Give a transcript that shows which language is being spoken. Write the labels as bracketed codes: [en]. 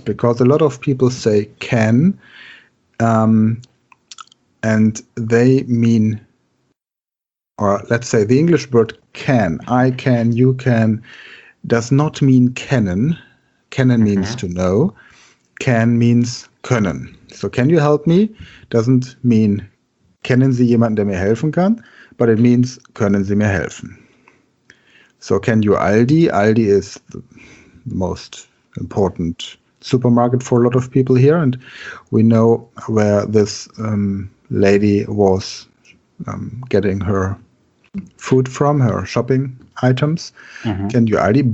[en] Because a lot of people say "can," and they mean, or let's say the English word "can," "I can," "you can," does not mean "kennen." "Kennen" means to know. "Can" means "können." So "can you help me" doesn't mean [de] "kennen Sie jemanden, der mir helfen kann," [en] but it means [de] "können Sie mir helfen." [en] So "can you Aldi?" Aldi is the most important supermarket for a lot of people here, and we know where this lady was getting her food from, her shopping items. Can you Aldi?